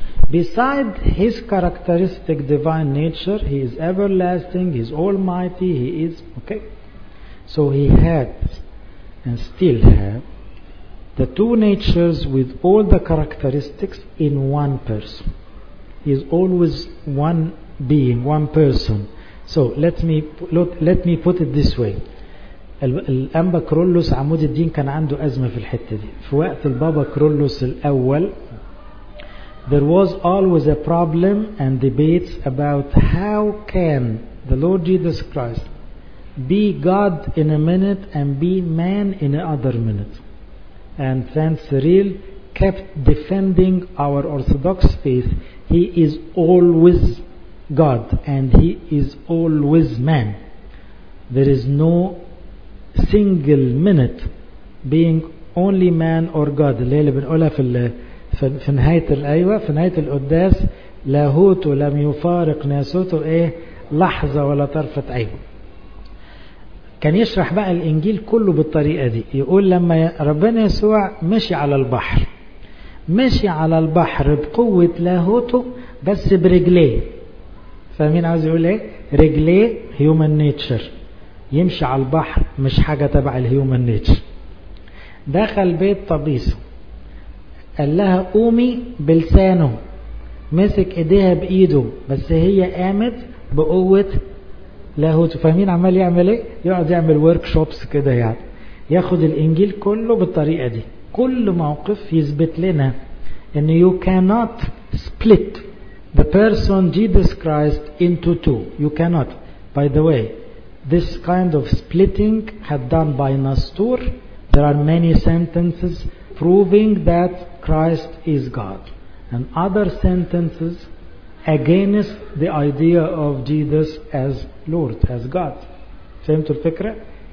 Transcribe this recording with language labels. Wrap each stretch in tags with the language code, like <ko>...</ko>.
<en>Beside his characteristic divine nature, he is everlasting, he is almighty, he is, okay? So he had and still have the two natures with all the characteristics in one person. He is always one being, one person. So let me put it this way.</en> <ar>الأنبا كرولوس عمود الدين كان عنده أزمة في الحتة دي. في وقت البابا كرولوس الأول</ar> <en>there was always a problem and debates about how can the Lord Jesus Christ be God in a minute and be man in another minute. And Saint Cyril kept defending our Orthodox faith. He is always God and he is always man. There is no single minute being only man or God.</en> <ar>Layla bin Ula في نهاية الأيوة في نهاية القداس لاهوت لم يفارق ناسوته إيه لحظة ولا طرفة عين. كان يشرح بقى الإنجيل كله بالطريقة دي. يقول لما ربنا يسوع مشي على البحر، مشي على البحر بقوة لاهوته بس برجليه. فمين عاوز يقول إيه؟ رجليه</ar> <en>human nature،</en> <ar>يمشي على البحر مش حاجة تبع الhuman nature. دخل بيت طبيسه قال لها قومي بلسانه، مسك ايديها بايده بس هي قامت بقوة لاهوته. فاهمين عمال يعمل ايه؟ يقعد يعمل workshops كده، يعني ياخد الانجيل كله بالطريقة دي. كل موقف يثبت لنا ان</ar> <en>you cannot split the person Jesus Christ into two. You cannot. By the way, this kind of splitting had done by Nestor. There are many sentences proving that Christ is God, and other sentences against the idea of Jesus as Lord, as God. Same to fikra.</en>